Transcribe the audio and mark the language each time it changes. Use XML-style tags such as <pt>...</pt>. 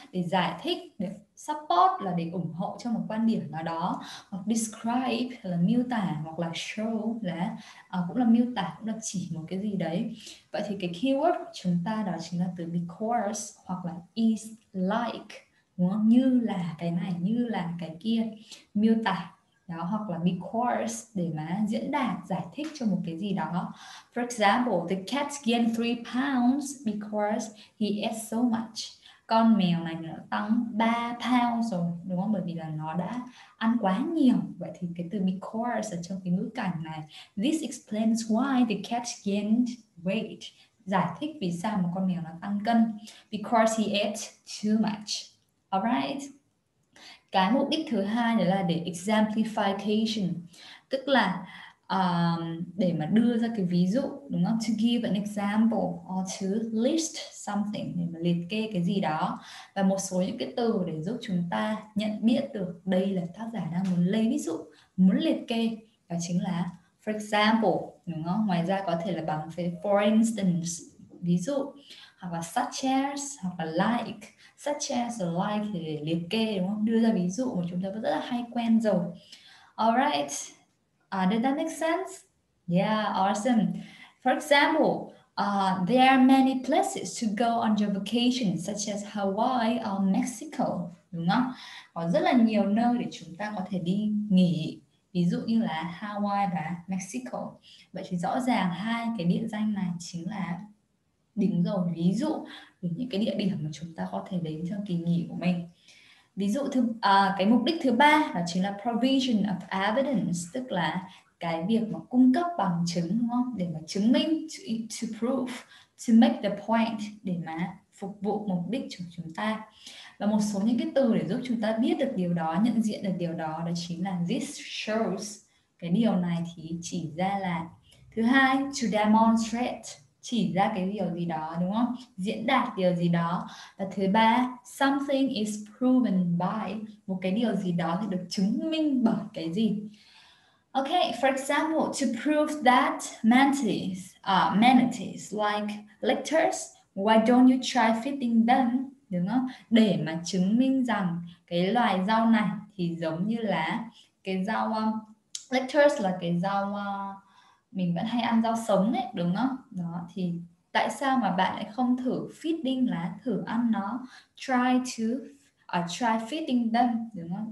<vi>Để giải thích, để support là để ủng hộ cho một quan điểm nào đó, hoặc describe là miêu tả, hoặc là show là cũng là miêu tả, cũng là chỉ một cái gì đấy. Vậy thì cái keyword của chúng ta đó chính là từ because hoặc là</vi> <en>is like,</en> <vi>đúng không? Như là cái này, như là cái kia, miêu tả đó, hoặc là because để mà diễn đạt, giải thích cho một cái gì đó.</vi> <en>For example, the cat gained 3 pounds because he ate so much.</en> <vi>Con mèo này nó tăng 3 pounds rồi, đúng không? Bởi vì là nó đã ăn quá nhiều. Vậy thì cái từ because ở trong cái ngữ cảnh này,</vi> <en>this explains why the cat gained weight.</en> <vi>Giải thích vì sao mà con mèo nó tăng cân.</vi> <en>Because he ate too much. Alright.</en> <vi>Cái mục đích thứ hai đó là để exemplification, tức là để mà đưa ra cái ví dụ, đúng không?</vi> <en>To give an example or to list something,</en> <vi>để mà liệt kê cái gì đó và một số những cái từ để giúp chúng ta nhận biết được đây là tác giả đang muốn lấy ví dụ, muốn liệt kê, đó chính là for example, đúng không? Ngoài ra có thể là bằng for instance, ví dụ, hoặc là such as, hoặc là like. Such as or like thì để liệt kê đúng không? Đưa ra ví dụ mà chúng ta vẫn rất là hay quen rồi.</vi> <en>Alright, did that make sense? Yeah, awesome. For example, there are many places to go on your vacation, such as Hawaii or Mexico,</en> <vi>đúng không? Có rất là nhiều nơi để chúng ta có thể đi nghỉ, ví dụ như là Hawaii và Mexico. Vậy thì rõ ràng hai cái địa danh này chính là đứng đầu ví dụ về những cái địa điểm mà chúng ta có thể đến cho kỳ nghỉ của mình. Ví dụ thứ cái mục đích thứ ba đó chính là</vi> <en>provision of evidence,</en> <vi>tức là cái việc mà cung cấp bằng chứng, đúng không? Để mà chứng minh,</vi> <en>to prove, to make the point,</en> <vi>để mà phục vụ mục đích của chúng ta. Và một số những cái từ để giúp chúng ta biết được điều đó, nhận diện được điều đó, đó chính là</vi> <en>this shows,</en> <vi>cái điều này thì chỉ ra là. Thứ hai,</vi> <en>to demonstrate,</en> <vi>chỉ ra cái điều gì đó, đúng không? Diễn đạt điều gì đó. Và thứ ba,</vi> <en>something is proven by,</en> <vi>một cái điều gì đó thì được chứng minh bởi cái gì.</vi> <en>Ok, for example, to prove that manatees are manatees like lictors, why don't you try feeding them,</en> <vi>đúng không? Để mà chứng minh rằng cái loài rau này thì giống như là cái rau lictors là cái rau mình vẫn hay ăn rau sống ấy, đúng không? Đó, thì tại sao mà bạn lại không thử feeding là thử ăn nó,</vi> <en>try feeding them,</en> <vi>đúng không?</vi>